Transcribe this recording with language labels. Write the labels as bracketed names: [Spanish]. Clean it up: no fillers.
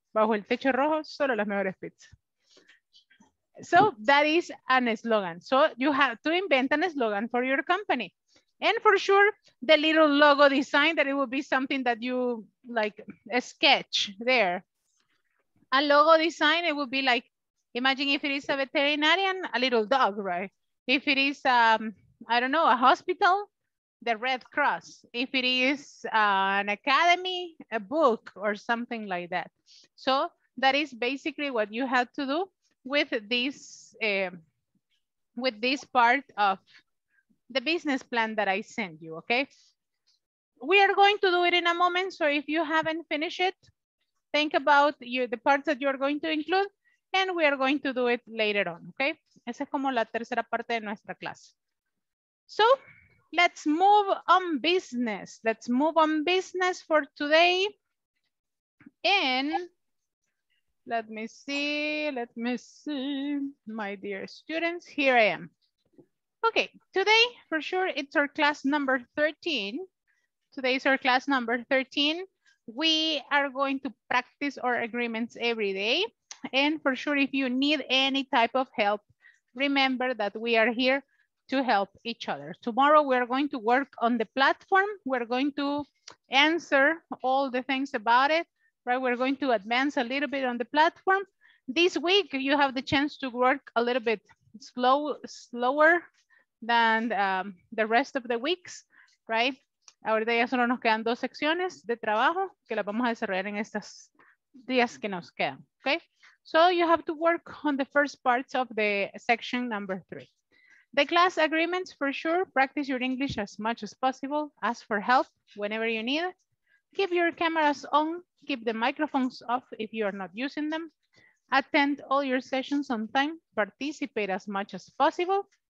[Spanish] Bajo el techo rojo, solo las mejores pizzas. [English] So that is an slogan. So you have to invent an slogan for your company. And for sure, the little logo design, that it will be something that you like a sketch there. A logo design, it will be like, imagine if it is a veterinarian, a little dog, right? If it is, I don't know, a hospital, the Red Cross. If it is an academy, a book or something like that. So that is basically what you have to do with this part of the business plan that I sent you, okay? We are going to do it in a moment. So if you haven't finished it, think about the parts that you're going to include, and we are going to do it later on, okay? [Spanish] Esa es como la tercera parte de nuestra clase. [English] So let's move on business. Let's move on business for today. And let me see, my dear students, here I am. Okay, today for sure, it's our class number 13. Today is our class number 13. We are going to practice our agreements every day. And for sure, if you need any type of help, remember that we are here to help each other. Tomorrow, we're going to work on the platform. We're going to answer all the things about it, right? We're going to advance a little bit on the platform. This week, you have the chance to work a little bit slower than the rest of the weeks, right? [Spanish] Ahorita ya solo nos quedan dos secciones de trabajo que las vamos a desarrollar en estos días que nos quedan, okay? [English] So you have to work on the first parts of the section number 3. The class agreements, for sure, practice your English as much as possible. Ask for help whenever you need it. Keep your cameras on, keep the microphones off if you are not using them. Attend all your sessions on time, participate as much as possible.